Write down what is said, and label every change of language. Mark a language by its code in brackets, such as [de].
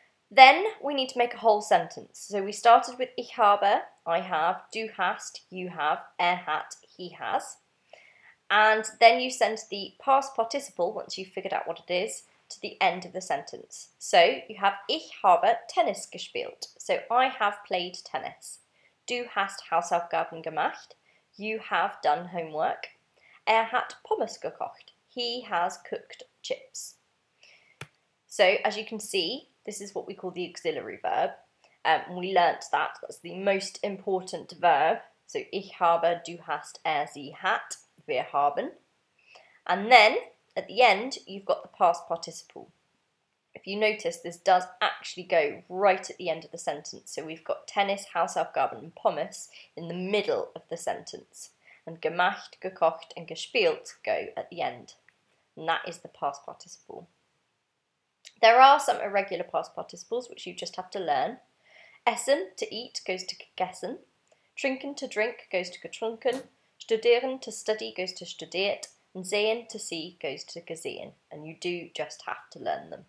[en] Then we need to make a whole sentence. So we started with [de] ich habe, [en] I have, [de] du hast, [en] you have, hat, he has. And then you send the past participle, once you've figured out what it is, to the end of the sentence. So you have [de] ich habe Tennis gespielt. [en] So I have played tennis. [de] Du hast Hausaufgaben gemacht. [en] You have done homework. [de] Hat Pommes gekocht. [en] He has cooked chips. So as you can see, this is what we call the auxiliary verb. We learnt that. That's the most important verb. [de] So ich habe, du hast, sie hat. Wir haben. [en] And then at the end you've got the past participle. If you notice, this does actually go right at the end of the sentence. So we've got tennis, Hausaufgaben and Pommes in the middle of the sentence. And gemacht, gekocht and gespielt go at the end. And that is the past participle. There are some irregular past participles which you just have to learn. Essen, to eat, goes to gegessen. Trinken, to drink, goes to getrunken. Studieren, to study, goes to studiert, and sehen, to see, goes to gesehen, and you do just have to learn them.